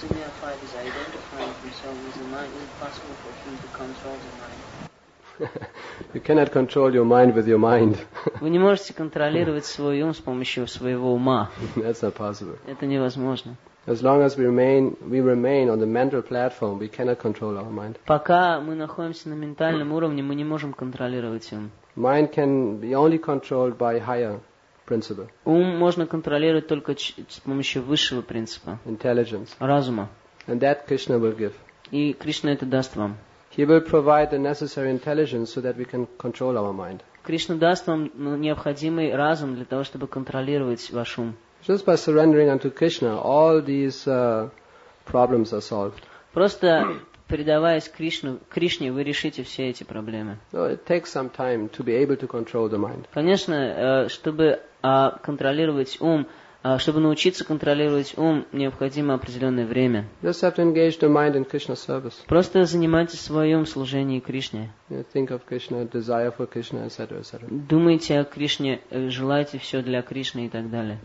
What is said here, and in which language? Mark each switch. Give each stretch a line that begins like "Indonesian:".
English: the neophyte is identifying himself with the mind, is it possible for him to control the mind? You cannot control your mind with your mind.
Russian: Вы не можете контролировать свой ум с помощью своего ума.
English: That's not possible.
Russian: Это невозможно.
English: As long as we remain on the mental platform, we cannot control our mind.
Russian: Пока мы находимся на ментальном уровне, мы не можем контролировать ум.
English: Mind can be only controlled by higher principle.
Russian: Ум можно контролировать только с помощью высшего принципа.
English: Intelligence.
Russian: Разума.
English: And that Krishna will give.
Russian: И Кришна это даст вам.
English: He will provide the necessary intelligence so that we can control our mind.
Russian: Кришна даст вам необходимый разум для того, чтобы контролировать ваш ум.
English: Just by surrendering unto Krishna, all these problems are solved.
Russian: Просто предаваясь Кришне, вы решите все эти проблемы.
English: So it takes some time to be able to control the mind.
Russian: Конечно, чтобы контролировать ум, чтобы научиться контролировать ум, необходимо определенное время.
English: Just have to engage the mind in Krishna's service.
Russian: Просто занимайте свой ум служением Кришне.
English: Think of Krishna, desire for Krishna, etc.
Russian: Думайте о Кришне, желайте все для Кришны и так далее.